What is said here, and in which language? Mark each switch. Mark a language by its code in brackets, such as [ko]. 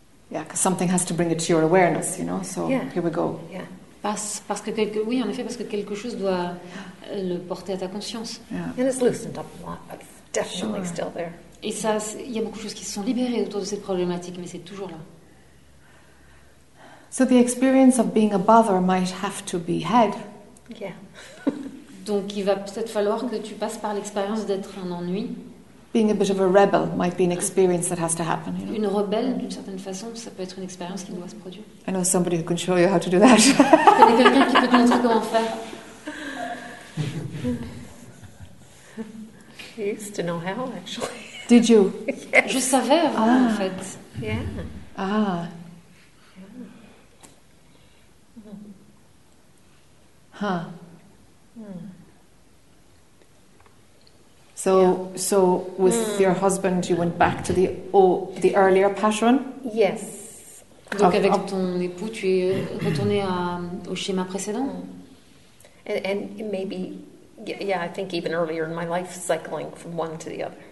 [en] Yeah, because something has to bring it to your awareness, you know. So here we go. Yeah. [fr] Parce que quelque chose doit le porter à ta conscience. [en] Yeah. And it's loosened up a lot, but it's definitely still there. [fr] Et ça, il y a beaucoup de choses qui se sont libérées autour de cette problématique, mais c'est toujours là. [en] So the experience of being a bother might have to be had. Yeah. [fr] Donc il va peut-être falloir que tu passes par l'expérience d'être un ennui. [en] Being a bit of a rebel might be an experience that has to happen. You know? [fr] Une rebelle, d'une certaine façon, ça peut être une expérience qui doit se produire. [en] I know somebody who can show you how to do that. [fr] Je connais quelqu'un qui peut te montrer comment faire. [en] I used to know how, actually. Did you? [fr] Yes. Je savais avant, en fait. [en] Yeah. Ah. So, so with your husband, you went back to the earlier pattern? Yes. [fr] Donc avec ton époux, tu es retourné au schéma précédent? [en] And maybe, yeah, I think even earlier in my life, cycling from one to the other.